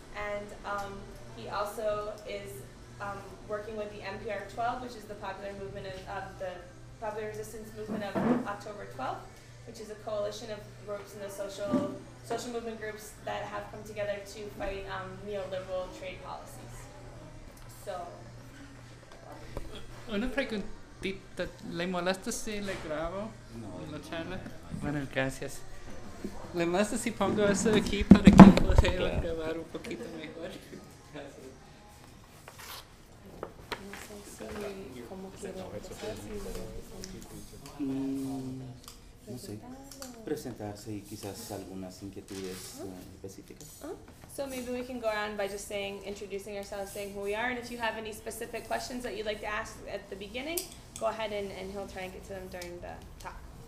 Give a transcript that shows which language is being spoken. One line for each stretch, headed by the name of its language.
English: And he also is working with the NPR 12, which is the popular movement of the popular resistance movement of October 12th, which is a coalition of groups in the social movement groups that have come together to fight neoliberal trade policies. So.
Spanish: Una preguntita, ¿le molesta si le grabo la charla? Bueno, gracias. ¿Le molesta si pongo eso aquí para que pueda grabar un poquito mejor? No sé, presentarse y quizás algunas inquietudes específicas.
English: So maybe we can go around by just saying, introducing ourselves, saying who we are, and if you have any specific questions that you'd like to ask at the beginning, go ahead and he'll try and get to them during the talk.